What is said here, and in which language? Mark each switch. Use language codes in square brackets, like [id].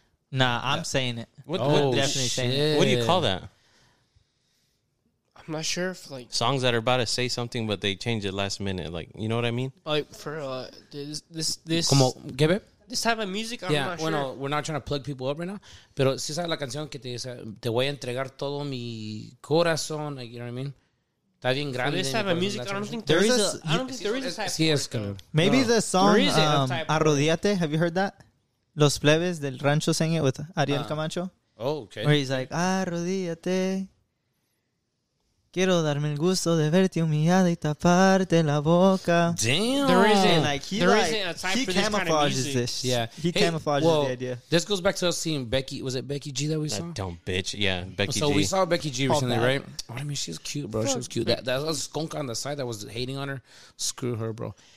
[en] Nah, I'm saying it. What do you call that? I'm not sure if like songs that are about to say something, but they change it last minute. Like, you know what I mean? Like for this como, give it? This type of music. I'm not sure. Bueno, we're not trying to plug people up right now. [es] Pero si sabes la canción que te dice, te voy a entregar todo mi corazón. [en] Like, you know what I mean? [es] Está bien grande. [en] For this type of music, I don't think there is a type. Maybe the song Arrodíate. Have you heard that? Los plebes del rancho sing it with Ariel Camacho. Oh, okay. Where he's like, arrodíllate. [es] Quiero darme el gusto de verte humillada y taparte la boca. [en] Damn. There isn't, like, he camouflages this kind of music. Yeah. He camouflages the idea. This goes back to us seeing Becky. Was it Becky G that we saw? That dumb bitch. Yeah, Becky so G. So we saw Becky G recently, right? I mean, she was cute, bro. She was cute. That was a skunk on the side that was hating on her. Screw her, bro.